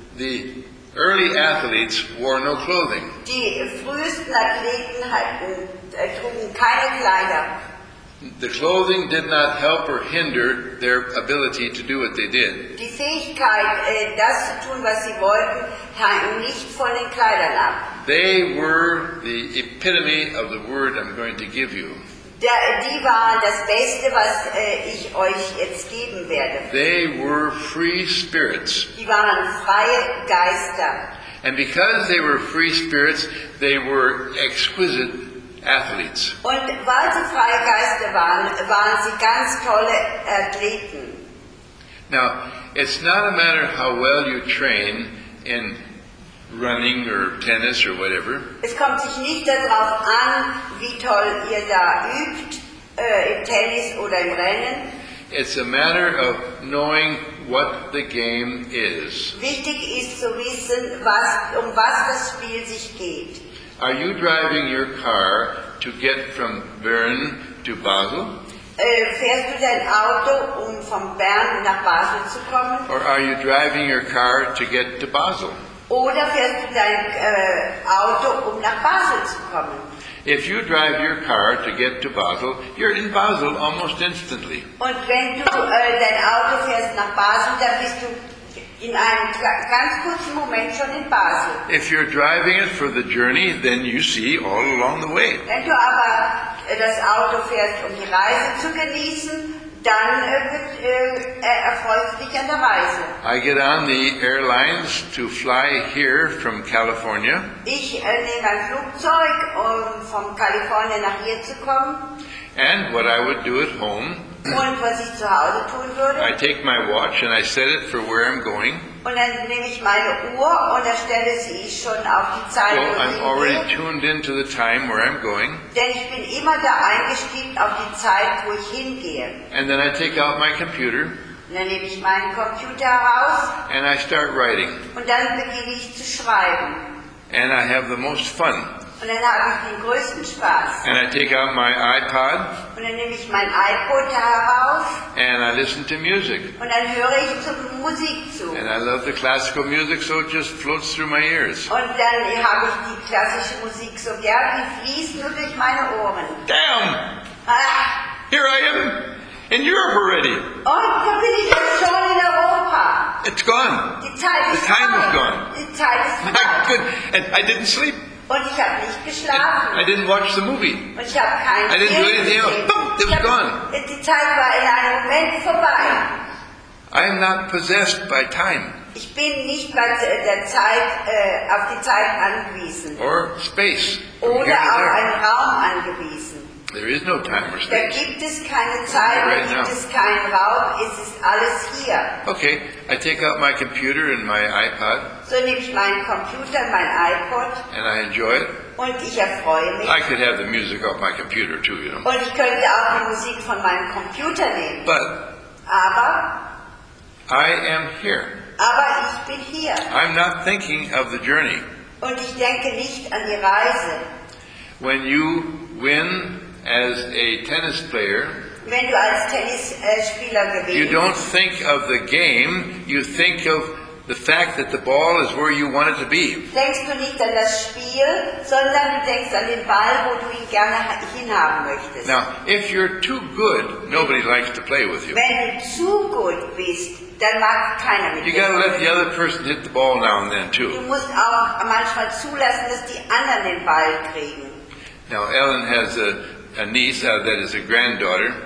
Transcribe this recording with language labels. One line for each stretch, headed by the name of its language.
English: The early athletes wore no clothing.
German: Die frühesten Athleten trugen keine Kleider.
English: The clothing did not help or hinder their ability to do what they did.
German: Die Fähigkeit, das zu tun, was sie wollten, hing nicht von den Kleidern ab.
English: They were the epitome of the word I'm going to give you.
German: Die waren das Beste, was ich euch jetzt geben werde.
English: They were free spirits.
German: Die waren freie Geister.
English: And because they were free spirits, they were exquisite athletes.
German: Und weil sie freie Geister waren, waren sie ganz tolle Athleten.
English: Now, it's not a matter how well you train in running or tennis or whatever.
German: Es kommt sich nicht darauf an, wie toll ihr da übt, im Tennis oder im Rennen.
English: It's a matter of knowing what the game is.
German: Wichtig ist zu wissen, was das Spiel sich geht.
English: Are you driving your car to get from Bern to Basel?
German: Fährst du dein Auto, von Bern nach Basel zu kommen?
English: Or are you driving your car to get to Basel?
German: Oder fährst du dein Auto, nach Basel zu kommen?
English: If you drive your car to get to Basel, you're in Basel almost instantly.
German: Und wenn du dein Auto fährst nach Basel, dann bist du in einem ganz kurzen Moment schon in Basel.
English: If you're driving it for the journey, then you see all along the way.
German: Wenn du aber das Auto fährst, um die Reise zu genießen, dann erfreut dich an der Reise.
English: I get on the airlines to fly here from California.
German: Ich nehme ein Flugzeug, um von Kalifornien nach hier zu kommen.
English: And what I would do at home,
German: und was ich zu Hause tun würde,
English: I take my watch and I set it for where I'm going.
German: Und dann nehme ich meine Uhr und erstelle sie schon auf die Zeit,
English: well,
German: wo ich
English: I'm already tuned into the time where I'm going.
German: Denn ich bin immer da eingestiegen auf die Zeit, wo ich hingehe.
English: And then I take out my computer.
German: Und dann nehme ich meinen Computer heraus.
English: And I start writing.
German: Und dann beginne ich zu schreiben.
English: And I have the most fun.
German: Und dann habe ich den größten Spaß.
English: And I take out my iPod.
German: Und dann nehme ich mein iPod heraus.
English: And I listen to music.
German: Und dann höre ich zur Musik zu.
English: And I love the classical music, so it just floats through my ears.
German: Und dann habe ich die klassische Musik so gern, die fließt nur durch meine Ohren.
English: Damn! Here I am in Europe already.
German: Und da bin ich jetzt schon in Europa.
English: It's gone.
German: Die Zeit ist
English: gone. The time is gone.
German: Die Zeit ist vergangen.
English: And I didn't sleep.
German: Und ich habe nicht geschlafen.
English: I didn't watch the movie.
German: Und ich habe keinen Film gesehen.
English: I didn't do anything else. Boom, it was gone.
German: Die Zeit war in einem Moment vorbei.
English: I am not possessed by time.
German: Ich bin nicht bei der Zeit, auf die Zeit angewiesen.
English: Or space.
German: Oder auf einen Raum angewiesen.
English: There is no time or space.
German: Da gibt es keine Zeit, da gibt es keinen Raum, es ist alles hier.
English: Okay, I take out my computer and my iPod.
German: So nehme ich meinen Computer und mein iPod.
English: And I enjoy it.
German: Und ich erfreue mich.
English: I could have the music off my computer too, you know.
German: Und ich könnte auch die Musik von meinem Computer nehmen.
English: But
German: aber
English: I am here.
German: Aber ich bin hier.
English: I'm not thinking of the journey.
German: Und ich denke nicht an die Reise.
English: When you win as a tennis player,
German: wenn du als Tennisspieler gewinnst,
English: you don't think of the game, you think of the fact that the ball is where you want it to be.
German: Denkst du nicht an das Spiel, sondern du denkst an den Ball, wo du ihn gerne hinhaben möchtest.
English: Now, if you're too good, nobody likes to play with you.
German: Wenn du zu gut bist, dann mag keiner mit dir.
English: You gotta let the other person hit the ball now and then too.
German: Du musst auch manchmal zulassen, dass die anderen den Ball kriegen.
English: Now, Ellen has a niece that is a granddaughter.